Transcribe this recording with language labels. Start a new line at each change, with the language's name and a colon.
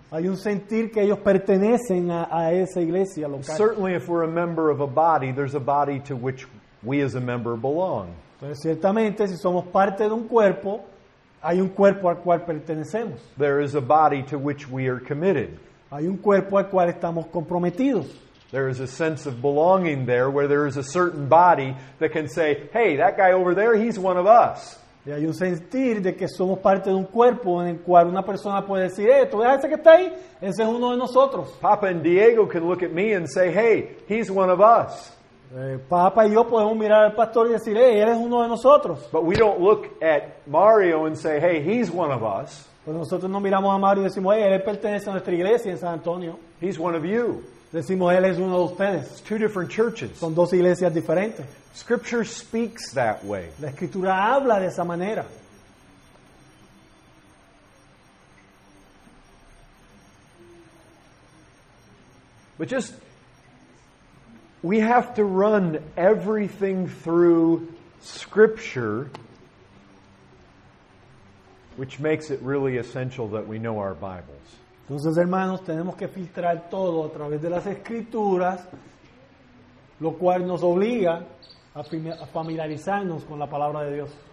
Spanish: Hay un sentir que ellos pertenecen a esa iglesia local.
English: Certainly if we're a member of a body, there's a body to which we as a member belong.
Spanish: Entonces, ciertamente, si somos parte de un cuerpo, hay un cuerpo al cual pertenecemos.
English: There is a body to which we are committed.
Spanish: Hay un cuerpo al cual estamos comprometidos.
English: There is a sense of belonging there where there is a certain body that can say, hey, that guy over there, he's one of us.
Spanish: Y hay un sentir de que somos parte de un cuerpo en el cual una persona puede decir, hey, tú ves a ese que está ahí, ese es uno de nosotros.
English: Papa and Diego can look at me and say, hey, he's one of us.
Spanish: Papa y yo podemos mirar al pastor y decir, hey, él es uno de nosotros.
English: But we don't look at Mario and say, hey, he's one of us.
Spanish: Pues nosotros nos miramos a Mario y decimos, hey, él pertenece a nuestra iglesia en San Antonio.
English: He's one of you.
Spanish: Decimos, él es uno de ustedes.
English: It's two different churches.
Spanish: Son dos iglesias diferentes.
English: Scripture speaks that way.
Spanish: La escritura habla de esa manera.
English: But just, we have to run everything through Scripture, which makes it really essential that we know our Bibles.
Spanish: Entonces, hermanos, tenemos que filtrar todo a través de las Escrituras, lo cual nos obliga a familiarizarnos con la Palabra de Dios.